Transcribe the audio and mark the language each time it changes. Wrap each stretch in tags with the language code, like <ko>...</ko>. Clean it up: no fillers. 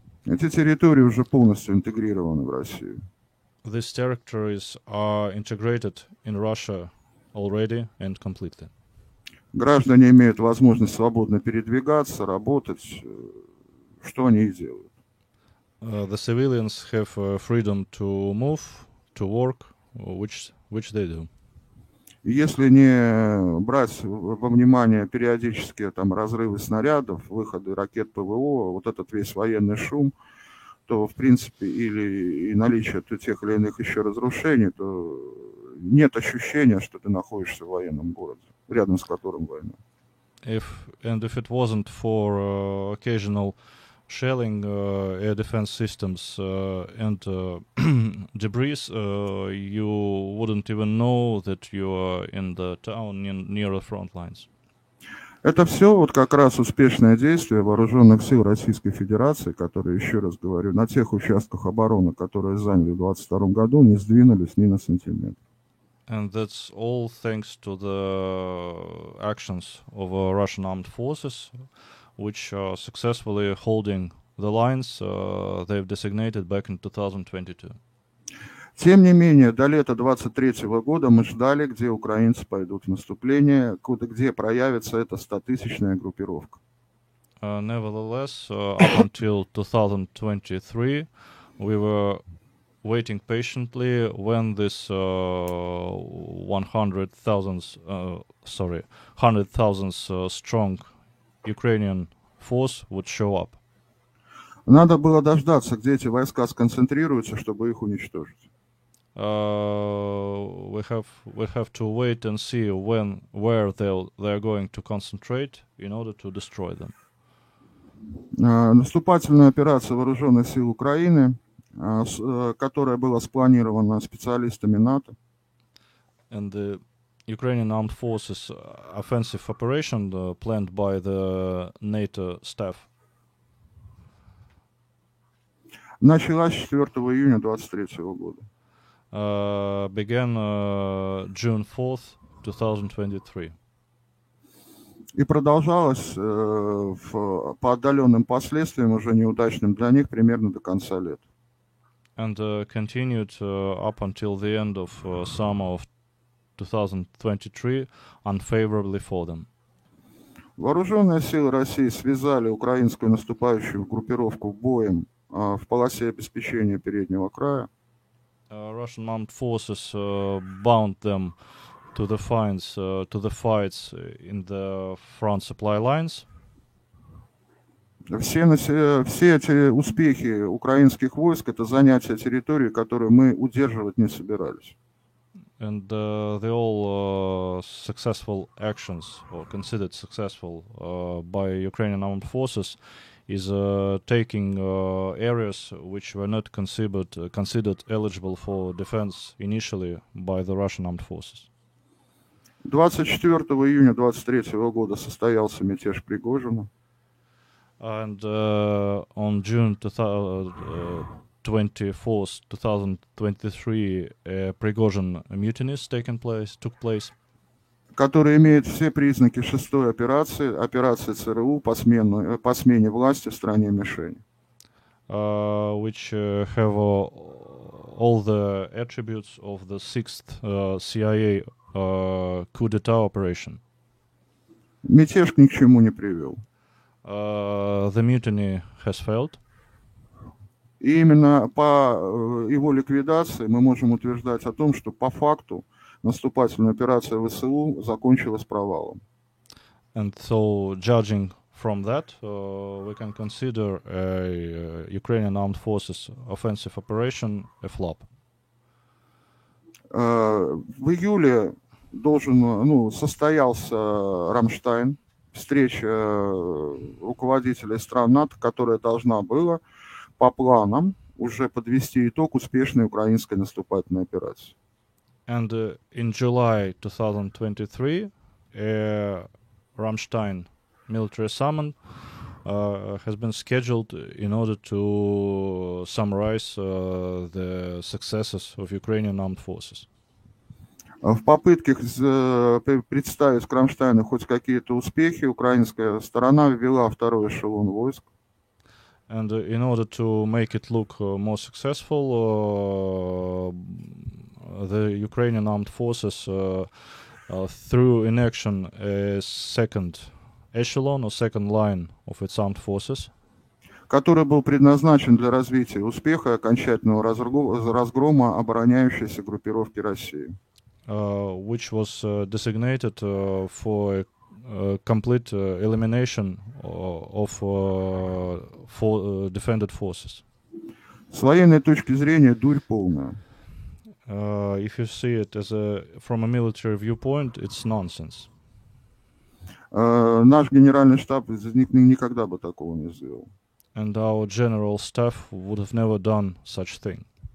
<ru>Эти территории уже полностью интегрированы в Россию.</ru> <en>These territories are integrated in Russia already and completely.</en> <ru>Граждане имеют возможность свободно передвигаться, работать. Что они и делают?</ru> <en>The civilians have freedom to move, to work, which they do.</en> <ru>Если не брать во внимание периодические там разрывы снарядов, выходы ракет ПВО, вот этот весь военный шум, то в принципе или и наличие тех или иных еще разрушений, то нет ощущения, что ты находишься в военном городе, рядом с которым война.</ru> <en>If it wasn't for occasional shelling, air defense systems and debris, you wouldn't even know that you are in the town near the front lines.</en> <ru>Это все вот как раз успешное действие вооруженных сил Российской Федерации, которые, еще раз говорю, на тех участках обороны, которые заняли в 22 году, не сдвинулись ни на сантиметр.</ru> <en>And that's all thanks to the actions of Russian armed forces, which are successfully holding the lines they've designated back in 2022.</en> <ru>Тем не менее, до лета 23 года мы ждали, где украинцы пойдут в наступление, где проявится эта 100-тысячная группировка.</ru> <en>Nevertheless, up until 2023, we were waiting patiently when this 100,000 strong Ukrainian force would show up.</en> <ru>Надо было дождаться, где эти войска сконцентрируются, чтобы их уничтожить.</ru> <en>We have to wait and see where they're going to concentrate in order to destroy them.</en> <ru>Наступательная операция вооруженных сил Украины, которая была спланирована специалистами НАТО.</ru> <en>And the Ukrainian Armed Forces offensive operation planned by the NATO staff.</en> <ru>Началась 4 июня 23 года.</ru> <en>Began June 4th, 2023.</en> <ru>И продолжалась по отдаленным последствиям, уже неудачным для них, примерно до конца лета.</ru> <en>And continued up until the end of summer of 2023 unfavorably for them.</en> <ru>Вооруженные силы России связали украинскую наступающую группировку боем в полосе обеспечения переднего края.</ru> <en>Russian armed forces bound them to the fines, to the fights in the front supply lines.</en> <ru>Все эти успехи украинских войск — это занятие территории, которую мы удерживать не собирались.</ru> <en>And the all successful actions, or considered successful, by Ukrainian armed forces is taking areas which were not considered eligible for defense initially by the Russian armed forces.</en> <ru>24 июня 23 года состоялся мятеж Пригожина.</ru> <en>And on June 24th, 2023, a Prigozhin mutiny took place.</en> <ru>Который имеет все признаки шестой операции, операции ЦРУ по смене власти в стране мишени.</ru> <en>Which have all the attributes of the sixth CIA coup d'etat operation.</en> <ru>Мятеж ни к чему не привел.</ru> <en>The mutiny has failed.</en> <ru>И именно по его ликвидации мы можем утверждать о том, что по факту наступательная операция ВСУ закончилась провалом.</ru> <en>And so, judging from that, we can consider a Ukrainian Armed Forces offensive operation a flop.</en> <ru>В июле должен, ну, состоялся Рамштайн, встреча руководителей стран НАТО, которая должна была по планам уже подвести итог успешной украинской наступательной операции.</ru> <en>And in July 2023, a Rammstein military summit has been scheduled in order to summarize the successes of Ukrainian armed forces.</en> <ru>В попытках представить к Рамштайну хоть какие-то успехи, украинская сторона ввела второй эшелон войск.</ru> <en>And in order to make it look more successful, the Ukrainian armed forces threw in action a second echelon or second line of its armed forces,</en> <ru>который был предназначен для развития успеха окончательного разгрома обороняющейся группировки России.</ru> <en>Which was designated for a complete elimination of for defended forces.</en> <ru>С военной точки зрения дурь полная.</ru> <en>If you see it as a from a military viewpoint, it's nonsense.</en> <ru>Наш генеральный штаб никогда бы такого не сделал.</ru> <en>And our general staff would have never done such thing.</en>